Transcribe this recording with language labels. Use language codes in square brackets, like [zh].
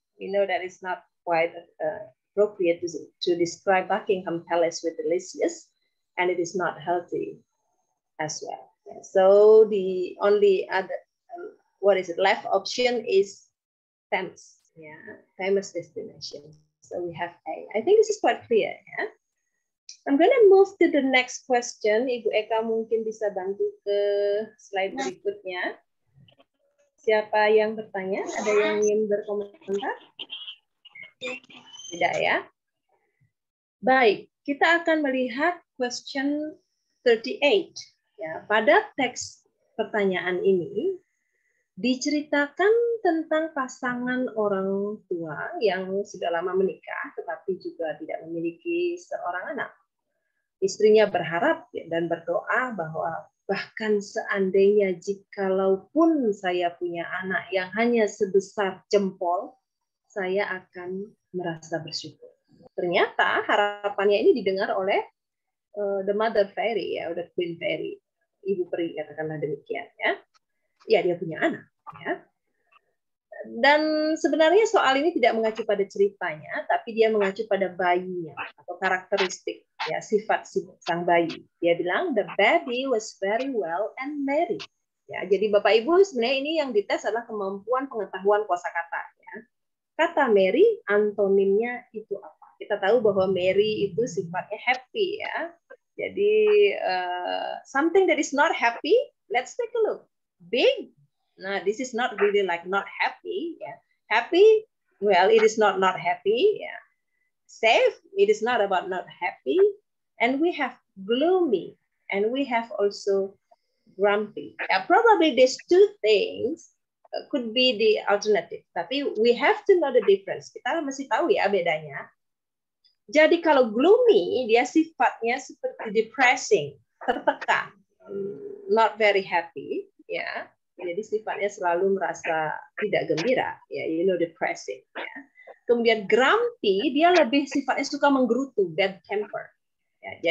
[en] We know that it's not quite appropriate to describe Buckingham Palace with delicious, and it is not healthy as well. So the only other what is it left option is famous, yeah, famous destination. So we have A. I think this is quite clear. Yeah, I'm going to move to the next question. [id] Ibu Eka mungkin bisa bantu ke slide berikutnya. Siapa yang bertanya? Ada yang ingin berkomentar? Tidak ya. Baik, kita akan melihat question 38. Ya, pada teks pertanyaan ini diceritakan tentang pasangan orang tua yang sudah lama menikah tetapi juga tidak memiliki seorang anak. Istrinya berharap dan berdoa bahwa bahkan seandainya jikalaupun saya punya anak yang hanya sebesar jempol, saya akan merasa bersyukur. Ternyata harapannya ini didengar oleh [en] the mother fairy [id] ya, [en] the queen fairy, [id] ibu peri katakanlah demikian ya. Ya, dia punya anak ya. Dan sebenarnya soal ini tidak mengacu pada ceritanya, tapi dia mengacu pada bayinya atau karakteristik ya, sifat sang bayi. Dia bilang [en] the baby was very well and merry. [id] Ya, jadi Bapak Ibu sebenarnya ini yang dites adalah kemampuan pengetahuan kosakata. Kata Mary, antonimnya itu apa? Kita tahu bahwa Mary itu sifatnya happy ya. [en] Jadi something that is not happy, let's take a look. Big, nah this is not really like not happy. Yeah. Happy, well it is not not happy. Yeah. Safe, it is not about not happy. And we have gloomy, and we have also grumpy. Yeah, probably these two things could be the alternative, tapi we have to know the difference. [id] Kita mesti tahu ya bedanya. Jadi kalau gloomy, dia sifatnya seperti depressing, tertekan, [en] not very happy, [id] ya. Jadi sifatnya selalu merasa tidak gembira, ya. [en] You know, depressing. [id] Ya. Kemudian grumpy, dia lebih sifatnya suka menggerutu, [en] bad temper. [id] Ya.